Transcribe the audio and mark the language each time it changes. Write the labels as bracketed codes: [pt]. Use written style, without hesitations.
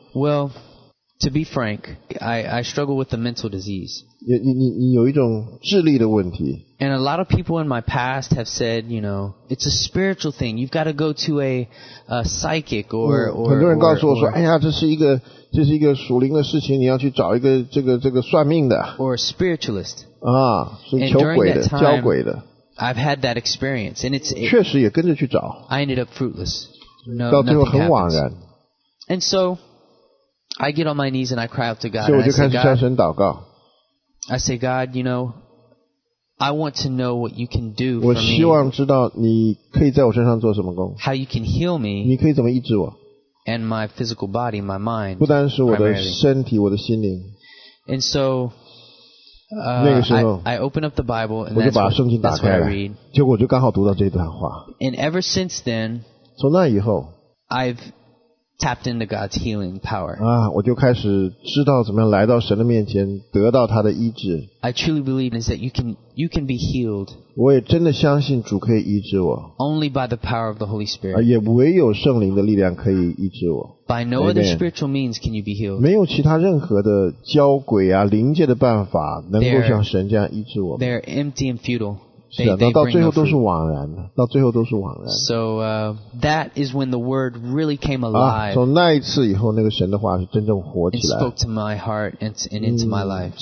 [en] Well, to be frank, I struggle with a mental disease. [zh] 你有一种智力的问题。 [en] And a lot of people in my past have said, you know, it's a spiritual thing. You've got to go to a psychic or [zh] 很多人告诉我说，哎呀，这是一个属灵的事情，你要去找一个这个算命的。 [en] Or a spiritualist. [zh] 啊，是求鬼的，教鬼的。 [en] I've had that experience, and it's [zh] 确实也跟着去找。 [en] I ended up fruitless. No, [zh] 到最后很枉然。 [en] And so I get on my knees and I cry out to God. [zh] 所以我就开始向神祷告。 [en] I say, God, you know, I want to know what you can do for me. [zh] 我希望知道你可以在我身上做什么工。 [en] How you can heal me. [zh] 你可以怎么医治我。 [en] And my physical body, my mind. [zh] 不单是我的身体，我的心灵。 [en] And so, [zh] 那个时候 [en] I open up the Bible, and [zh] 我就把圣经打开了。结果我就刚好读到这段话。 [en] And ever since then, [zh] 从那以后 [en] I've tapped into God's healing power. [zh] 啊，我就开始知道怎么样来到神的面前，得到他的医治。 [en] I truly believe is that you can be healed. [zh] 我也真的相信主可以医治我。 [en] Only by the power of the Holy Spirit. [zh] 也唯有圣灵的力量可以医治我。 [en] By no other spiritual means can you be healed. [zh] 没有其他任何的教鬼啊、灵界的办法能够像神这样医治我。 [en] They're empty and futile. [zh] 是啊，到最后都是枉然的，到最后都是枉然。 [en] So that is when the word really came alive. [zh] 从那一次以后，那个神的话是真正活起来。 [en] It spoke to my heart and into my life.